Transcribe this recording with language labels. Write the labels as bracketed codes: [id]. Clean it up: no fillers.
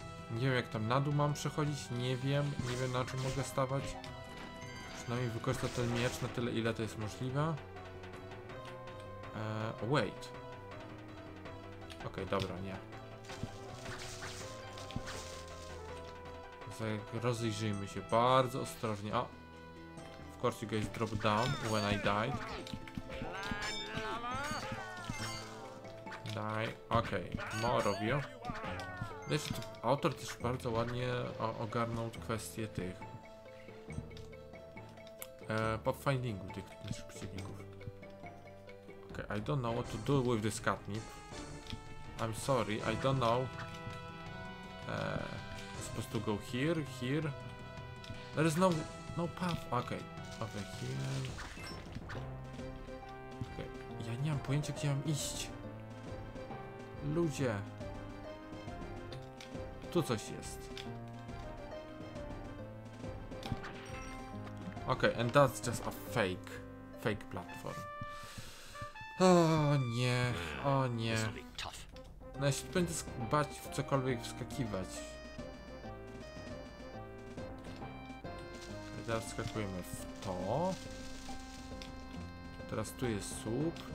[pl] Nie wiem, jak tam na dół mam przechodzić. Nie wiem. Nie wiem, na czym mogę stawać. Przynajmniej wykorzystam ten miecz na tyle, ile to jest możliwe. [en] Wait. [pl] Okej, dobra, nie. Rozejrzyjmy się bardzo ostrożnie. O! [en] Of course you guys drop down when I died. Die. Okej, more of you. [pl] Wiesz, autor też bardzo ładnie ogarnął kwestię tych... pathfindingu tych naszych przeciwników. [en] I don't know what to do with this catnip. I'm sorry, I don't know. Supposed to go here, here. There is no, no path. Okay, over here. [pl] Okay, ja nie mam pojęcia, gdzie mam iść. Ludzie, tu coś jest. [en] Okay, and that's just a fake, fake platform. [pl] O nie, o nie. No ja się będę bać w cokolwiek wskakiwać. Teraz wskakujemy w to. Teraz tu jest słup.